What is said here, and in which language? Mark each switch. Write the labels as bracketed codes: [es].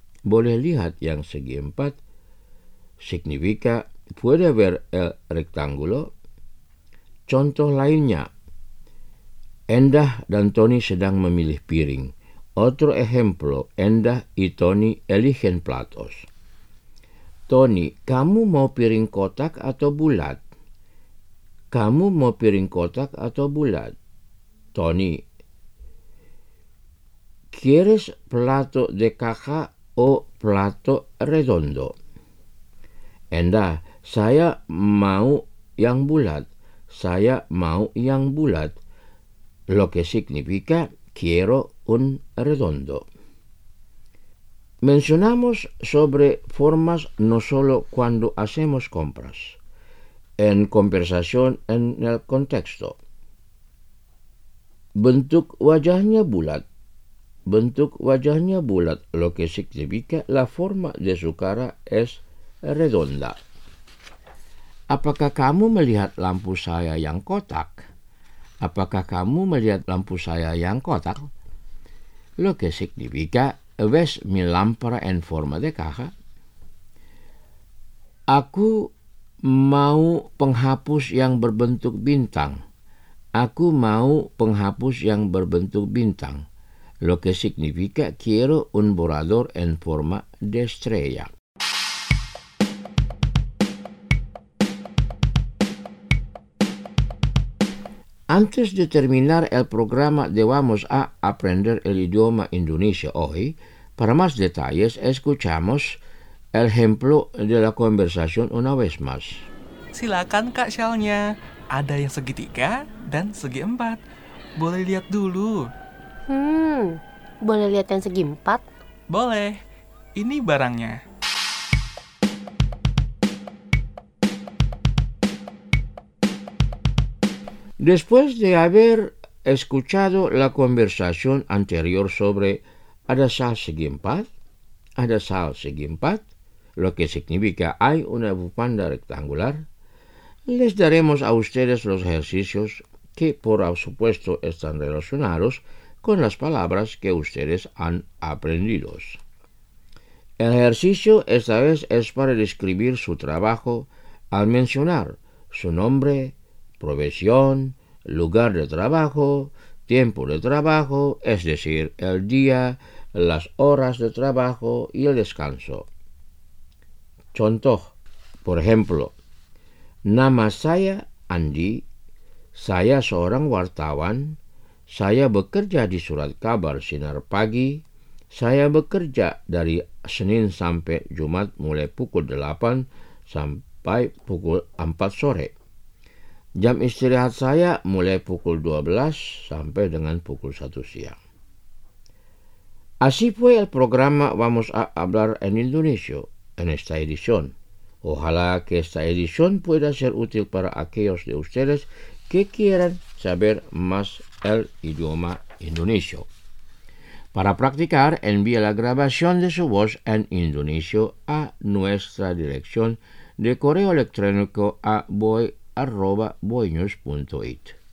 [id] ¿Boleh lihat yang segi empat? [es] Significa, ¿puede ver el rectángulo? [id] Contoh lainnya, Endah dan Tony sedang memilih piring. [es] Otro ejemplo, Endah y Tony eligen platos. [id] Tony, ¿kamu mau piring kotak atau bulat? ¿Kamu mau piring kotak atau bulat? [es] Tony, ¿quieres plato de caja o plato redondo? [id] Endah, saya mau yang bulat. Saya mau yang bulat. [es] Lo que significa, quiero un redondo. Mencionamos sobre formas no solo cuando hacemos compras. En conversación en el contexto. [id] Bentuk wajahnya bulat. Bentuk wajahnya bulat, [es] lo que significa la forma de su cara es redonda. [id] Apakah kamu melihat lampu saya yang kotak? Apakah kamu melihat lampu saya yang kotak? [es] Lo que significa, ¿ves mi lámpara en forma de caja? [id] Aku mau penghapus yang berbentuk bintang. Aku mau penghapus yang berbentuk bintang. [es] Lo que significa quiero un borrador en forma de estrella. Antes de terminar el programa de Vamos a Aprender el Idioma Indonesia hoy, para más detalles escuchamos el ejemplo de la conversación una vez más. [id] Silakan Kak Shalnya. Ada yang segitiga dan segi empat. Boleh lihat dulu. Boleh lihat yang segi empat? Boleh. Ini barangnya. [es] Después de haber escuchado la conversación anterior sobre [id] ¿Ada sal segi empat? ¿Ada sal segi empat? [es] Lo que significa hay una bufanda rectangular. Les daremos a ustedes los ejercicios que, por supuesto, están relacionados con las palabras que ustedes han aprendido. El ejercicio esta vez es para describir su trabajo al mencionar su nombre, profesión, lugar de trabajo, tiempo de trabajo, es decir, el día, las horas de trabajo y el descanso. [id] Contoh, [es] por ejemplo, [id] Nama saya Andy, saya seorang wartawan, saya bekerja di surat kabar Sinar Pagi, saya bekerja dari Senin sampai Jumat mulai pukul 8 sampai pukul 4 sore. Jam istirahat saya mulai pukul 12 sampai dengan pukul 1 siang. [es] Así fue el programa Vamos a Hablar en Indonesia en esta edición. Ojalá que esta edición pueda ser útil para aquellos de ustedes que quieran saber más el idioma Indonesia. Para practicar, envíe la grabación de su voz en indonesio a nuestra dirección de correo electrónico a boy@boynews.it.